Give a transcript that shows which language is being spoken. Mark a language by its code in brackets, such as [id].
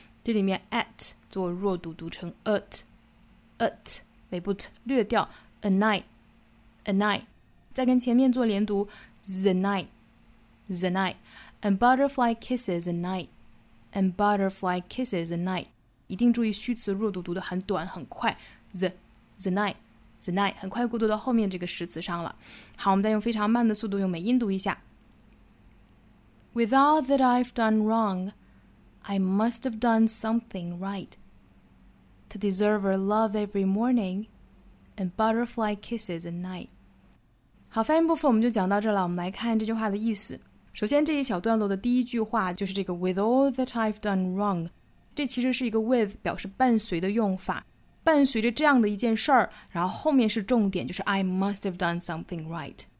[zh] 这里面 at 做弱读，读成 at, at 尾部 t 略掉 a night, a night. 再跟前面做连读 the night, the night. [en] And butterfly kisses the night, and butterfly kisses the night. [zh] 一定注意虚词弱读读得很短很快 the night. The night 很快过渡到后面这个实词上了。好，我们再用非常慢的速度用美音读一下。 [en] With all that I've done wrong, I must have done something right, to deserve a love every morning and butterfly kisses at night. [zh] 好，发音部分我们就讲到这了，我们来看这句话的意思。首先这一小段落的第一句话就是这个 [en] With all that I've done wrong， [zh] 这其实是一个 with 表示伴随的用法，伴随着这样的一件事儿，然后后面是重点，就是 [en] I must have done something right。